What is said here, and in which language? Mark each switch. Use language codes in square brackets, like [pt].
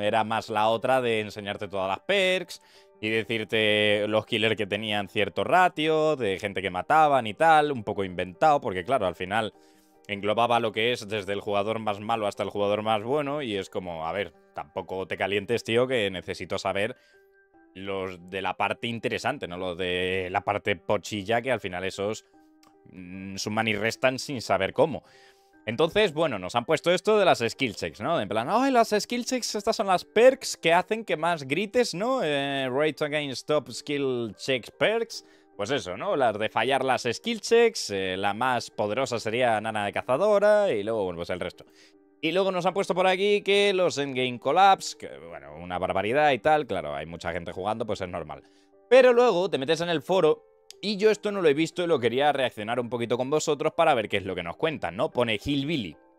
[es] Era más la otra de enseñarte todas las perks y decirte los killers que tenían cierto ratio, de gente que mataban y tal, un poco inventado, porque claro, al final englobaba lo que es desde el jugador más malo hasta el jugador más bueno y es como, a ver, tampoco te calientes, tío, que necesito saber los de la parte interesante, no los de la parte pochilla, que al final esos suman y restan sin saber cómo. Entonces, bueno, nos han puesto esto de las skill checks, ¿no? En plan, ay, las skill checks, estas son las perks que hacen que más grites, ¿no? [en] Rate against top skill checks perks. [es] Pues eso, ¿no? Las de fallar las skill checks, la más poderosa sería Nana de Cazadora y luego, bueno, pues el resto. Y luego nos han puesto por aquí que los endgame collapse, que bueno, una barbaridad y tal, claro, hay mucha gente jugando, pues es normal. Pero luego te metes en el foro y yo esto no lo he visto y lo quería reaccionar un poquito con vosotros para ver qué es lo que nos cuentan, ¿no? Pone Hillbilly.